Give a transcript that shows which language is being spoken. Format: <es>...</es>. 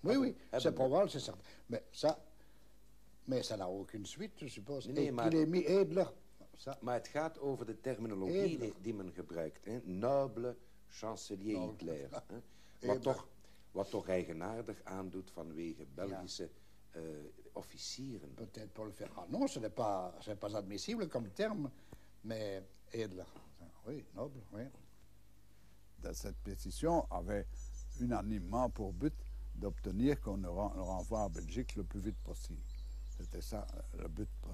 <fr>Oui, oui, c'est probable, c'est certain. Mais ça n'a aucune suite, je suppose.</fr> <nl>Nee,</nl> <fr>et qu'il ait mis Edler. Ça.</fr> <nl>Maar het gaat over de terminologie die men gebruikt.</nl> <fr>Hein? Noble chancelier non. Hitler. Hein?</fr> <nl>Wat toch eigenaardig aandoet vanwege Belgische officieren.</nl> <fr>Peut-être pour le faire. Ah non, ce n'est pas admissible comme terme, mais Edler. Oui, noble, oui. Cette pétition avait unanimement pour but d'obtenir qu'on le renvoie en Belgique le plus vite possible. C'était ça le but.</fr>